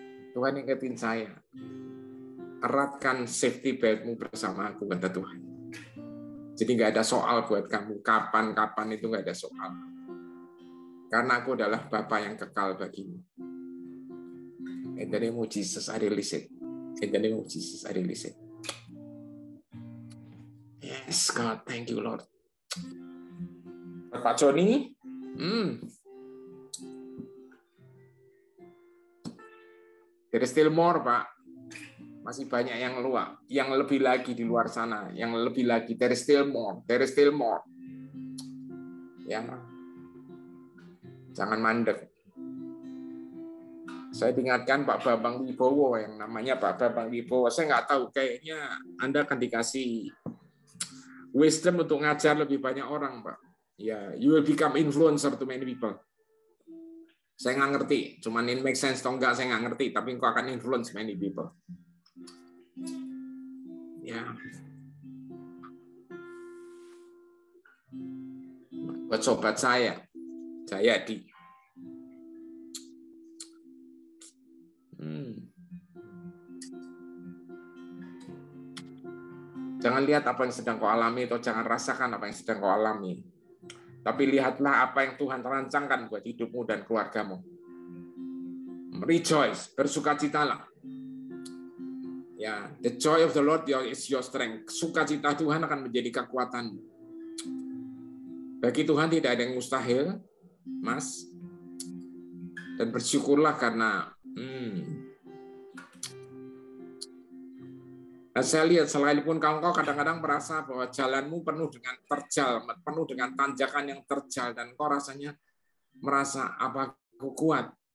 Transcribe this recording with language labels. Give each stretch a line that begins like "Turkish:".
Indonesian: Tuhan ingetin saya, eratkan safety belt-mu bersama aku, kata Tuhan. Jadi nggak ada soal buat kamu, kapan-kapan itu nggak ada soal. Karena aku adalah Bapa yang kekal bagimu.
English: In the name of Jesus, I release it. In the name of Jesus, I release it. Yes, God, thank you, Lord. Pak Joni? There is still more, Pak.
Indonesian: Masih banyak yang luar. Yang lebih lagi di luar sana. Yang lebih lagi.
English: There is still more. There is still more.
Indonesian: Ya, yeah. Jangan mandek. Saya ingatkan Pak Bambang Wibowo, yang namanya Pak Bambang Wibowo. Saya nggak tahu, kayaknya Anda akan dikasih wisdom untuk ngajar lebih banyak orang, Pak.
English: Ya, yeah, you will become influencer to many people.
Indonesian: Saya nggak ngerti. Cuman ini make sense atau nggak, saya nggak ngerti. Tapi kau akan
English: influence many people. Ya. Yeah.
Indonesian: Buat sobat saya, Jayadi. Jangan lihat apa yang sedang kau alami atau jangan rasakan apa yang sedang kau alami. Tapi lihatlah apa yang Tuhan rancangkan buat hidupmu dan keluargamu. Rejoice, bersukacitalah.
English: Ya, the joy of the Lord is your strength.
Indonesian: Sukacita Tuhan akan menjadi kekuatanmu. Bagi Tuhan tidak ada yang mustahil, Mas. Dan bersyukurlah karena nah, saya lihat sekalipun kau kadang-kadang merasa bahwa jalanmu penuh dengan terjal, penuh dengan tanjakan yang terjal, dan kau rasanya merasa apa aku kuat.